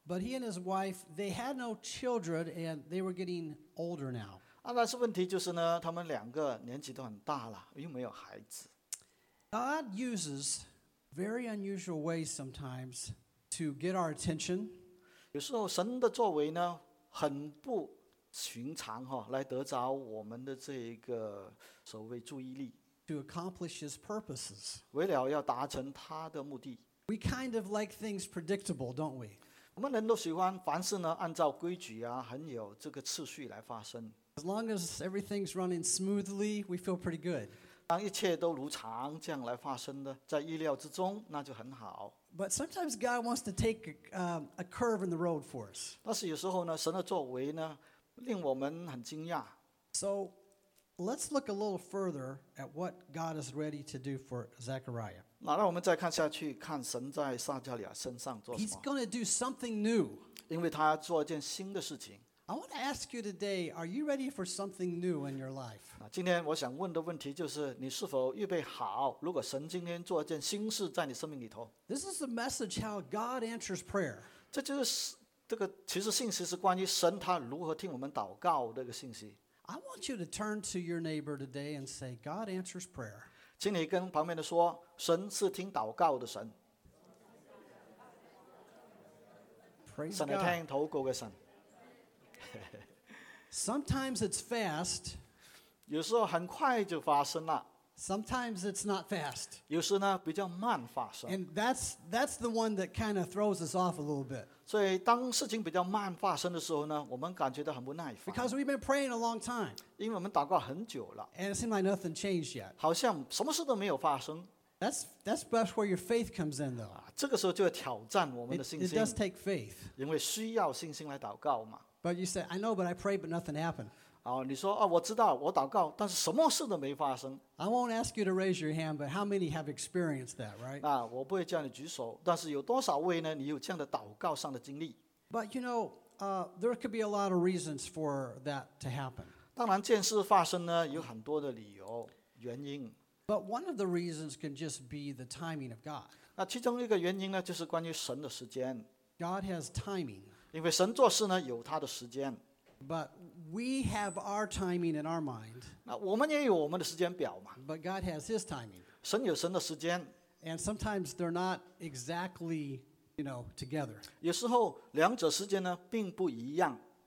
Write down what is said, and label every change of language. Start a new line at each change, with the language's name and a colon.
English: But he and his wife, they had no children and they were getting older now.
Chinese: 但是问题就是呢，他们两个年纪都很大了，又没有孩子。
English: God uses very unusual ways sometimes to get our attention.
Chinese: 有时候神的作为呢，很不寻常哈，来得着我们的这个所谓注意力。
English: To accomplish his purposes.
Chinese: 为了要达成他的目的。
English: We kind of like things predictable, don't we?
Chinese: 我们人都喜欢凡事呢按照规矩啊，很有这个次序来发生。
English: As long as everything's running smoothly, we feel pretty good.
Chinese: 当一切都如常这样来发生的，在意料之中，那就很好。
English: But sometimes God wants to take a curve in the road for us.
Chinese: 但是有时候呢，神的作为呢，令我们很惊讶。
English: So, let's look a little further at what God is ready to do for Zechariah.
Chinese: 那让我们再看下去，看神在撒加利亚身上做什么。
English: He's going to do something new.
Chinese: 因为他要做一件新的事情。
English: I want to ask you today, are you ready for something new in your life?
Chinese: 今天我想问的问题就是，你是否预备好，如果神今天做一件新事在你生命里头。
English: This is the message how God answers prayer.
Chinese: 这就是这个其实信息是关于神他如何听我们祷告的一个信息。
English: I want you to turn to your neighbor today and say, God answers prayer.
Chinese: 请你跟旁边的说，神是听祷告的神。
English: Praise God.
Chinese: 神来听祷告的神。
English: Sometimes it's fast.
Chinese: 有时候很快就发生了。
English: Sometimes it's not fast.
Chinese: 有时呢比较慢发生。
English: And that's the one that kind of throws us off a little bit.
Chinese: 所以当事情比较慢发生的时候呢，我们感觉到很不耐烦。
English: Because we've been praying a long time.
Chinese: 因为我们祷告很久了。
English: And it seems like nothing changed yet.
Chinese: 好像什么事都没有发生。
English: That's where your faith comes in, though.
Chinese: 这个时候就要挑战我们的信心。
English: It does take faith.
Chinese: 因为需要信心来祷告嘛。
English: But you say, I know, but I prayed, but nothing happened.
Chinese: 你说我知道我祷告，但是什么事都没发生。
English: I won't ask you to raise your hand, but how many have experienced that, right?
Chinese: 我不会叫你举手，但是有多少位呢？你有这样的祷告上的经历？
English: But you know, there could be a lot of reasons for that to happen.
Chinese: 当然，这件事发生呢，有很多的理由原因。
English: But one of the reasons can just be the timing of God.
Chinese: 那其中一个原因呢，就是关于神的时间。
English: God has timing.
Chinese: 因为神做事呢，有他的时间。
English: But we have our timing in our mind.
Chinese: 那我们也有我们的时间表嘛。
English: But God has His timing.
Chinese: 神有神的时间。
English: And sometimes they're not exactly, you know, together.
Chinese: 有时候两者时间呢并不一样。